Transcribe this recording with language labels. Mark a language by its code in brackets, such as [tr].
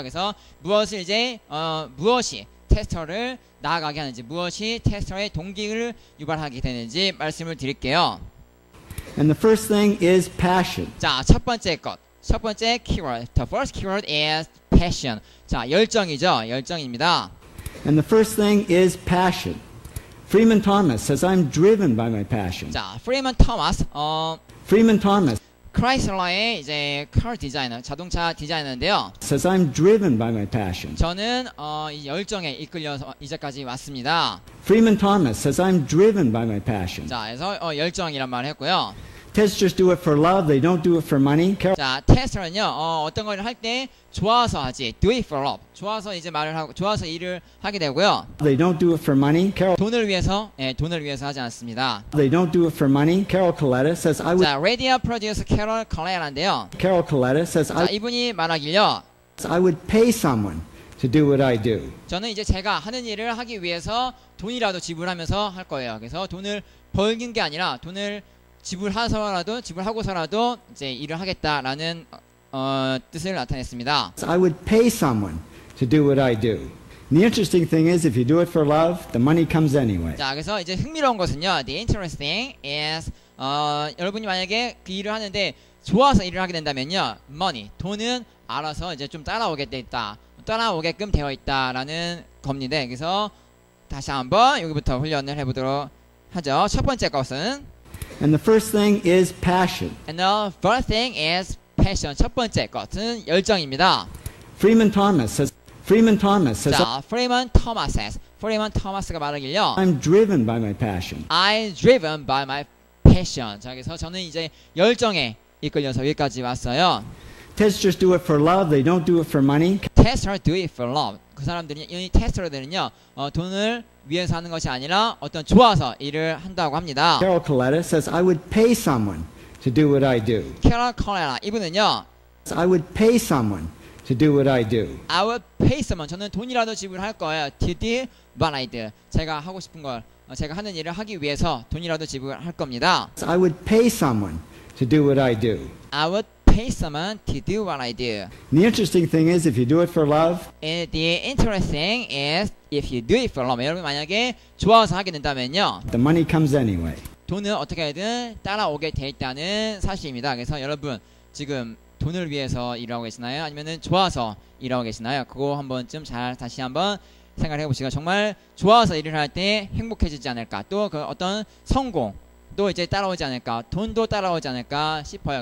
[ko] 그래서 무엇을 이제 무엇이 테스터를 나아가게 하는지, 무엇이 테스터의 동기를 유발하게 되는지 말씀을 드릴게요. [en] And the first thing is passion. [ko] 자, 첫 번째 것. 첫 번째 keyword. [en] The first keyword is passion. [ko] 자, 열정이죠. 열정입니다. [en] And the first thing is passion. Freeman Thomas says I'm driven by my passion. [ko] 자, Freeman Thomas. Freeman Thomas. 크라이슬러의 이제 car designer, 자동차 디자이너인데요. [en] Says I'm driven by my passion. [ko] 저는 이 열정에 이끌려서 이제까지 왔습니다. [en] Freeman Thomas says I'm driven by my passion. [ko] 자, 그래서 열정이란 말을 했고요. [en] Testers do it for love. They don't do it for money. Carol... [ko] 자, 테스터는요 어떤 걸 할 때 좋아서 하지. [en] Do it for love. [ko] 좋아서 이제 말을 하고 좋아서 일을 하게 되고요. [en] They don't do it for money. Carol... [ko] 돈을 위해서 돈을 위해서 하지 않습니다. [en] They don't do it for money. Carol Coletta says I would. [ko] 자, radio producer Carol Coletta인데요. [en] Carol Coletta says I. [ko] 자, 이분이 말하길요. [en] I would pay someone to do what I do. [ko] 저는 이제 제가 하는 일을 하기 위해서 돈이라도 지불하면서 할 거예요. 그래서 돈을 벌는 게 아니라 돈을 지불하고서라도 이제 일을 하겠다라는 뜻을 나타냈습니다. [en] I would pay someone to do what I do. The interesting thing is if you do it for love, the money comes anyway. [ko] 자, 그래서 이제 흥미로운 것은요. [en] The interesting is [ko] 여러분이 만약에 그 일을 하는데 좋아서 일을 하게 된다면요. money, 돈은 알아서 이제 좀 따라오게 돼 있다. 따라오게끔 되어 있다라는 겁니다. 그래서 다시 한번 여기부터 훈련을 해 보도록 하죠. 첫 번째 것은 [en] And the first thing is passion. And the first thing is passion. [ko] 첫 번째 것은 열정입니다. [en] Freeman Thomas says. Freeman Thomas says. 자, Freeman Thomas says. [ko] Freeman Thomas가 말하길요. [en] I'm driven by my passion. I'm driven by my passion. [ko] 자, 그래서 저는 이제 열정에 이끌려서 여기까지 왔어요. [en] Testers do it for love. They don't do it for money. Testers do it for love. [ko] 그 사람들이 이 테스터들은요, 돈을 위해서 하는 것이 아니라 어떤 좋아서 일을 한다고 합니다. [en] Carol Coletta says I would pay someone to do what I do. [ko] Carol Coletta 이분은요. [en] I would pay someone to do what I do. I would pay someone. [ko] 저는 돈이라도 지불할 거예요. [en] Did what I do. [ko] 제가 하고 싶은 걸 제가 하는 일을 하기 위해서 돈이라도 지불할 겁니다. [en] I would pay someone to do what I do. I would pay someone to do what I do. The interesting thing is if you do it for love. And the interesting is if you do it for love. [ko] 여러분 만약에 좋아서 하게 된다면요. [en] The money comes anyway. [ko] 돈은 어떻게든 따라오게 돼 있다는 사실입니다. 그래서 여러분 지금 돈을 위해서 일하고 계시나요? 아니면은 좋아서 일하고 계시나요? 그거 한번쯤 잘 다시 한번 생각해 보시고, 정말 좋아서 일을 할 때 행복해지지 않을까, 또 그 어떤 성공도 이제 따라오지 않을까, 돈도 따라오지 않을까 싶어요.